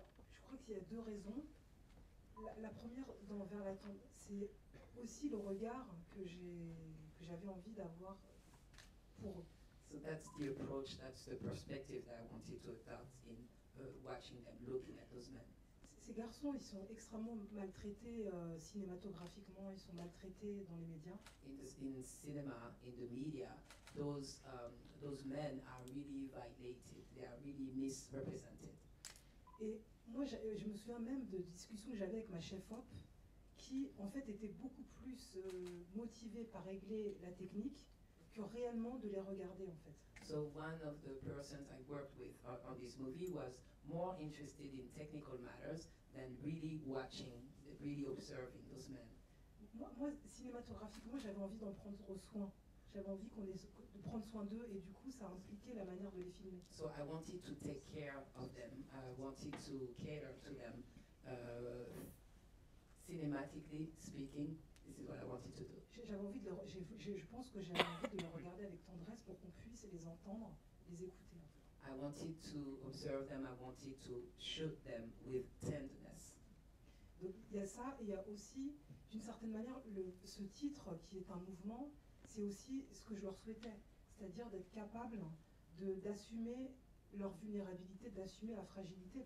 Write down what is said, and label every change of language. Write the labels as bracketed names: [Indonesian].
[French] Je crois qu'il y a deux raisons. La première, dans Vers la tendresse, c'est aussi le regard que j'avais envie d'avoir pour eux. [English] So that's the approach, that's the perspective that I wanted to adopt in watching them, looking at those men. [French] Ces garçons, ils sont extrêmement maltraités cinématographiquement, ils sont maltraités dans les médias. [English] In cinema, in the media, those men are really violated, they are really misrepresented. [French] Et moi, je me souviens même de discussions que j'avais avec ma chef-op, qui en fait était beaucoup plus motivée par régler la technique que réellement de les regarder en fait. [English] So one of the persons I worked with on this movie was more interested in technical matters than really watching, really observing those men. [French] Moi cinématographiquement, j'avais envie d'en prendre soin. J'avais envie qu'on ait de prendre soin d'eux et du coup ça impliquait la manière de les filmer. [English] So I wanted to take care of them. I wanted to cater to them. Cinematically speaking, this is what I wanted to do. [French] J'avais envie de les je pense que j'avais envie de les regarder avec tendresse pour qu'on puisse les entendre, les écouter. En fait. [English] I wanted to observe them. I wanted to shoot them with tenderness. [French] Donc il y a ça et il y a aussi, d'une certaine manière, ce titre qui est un mouvement, c'est aussi ce que je leur souhaitais, c'est-à-dire d'être capable d'assumer leur vulnérabilité, d'assumer la fragilité.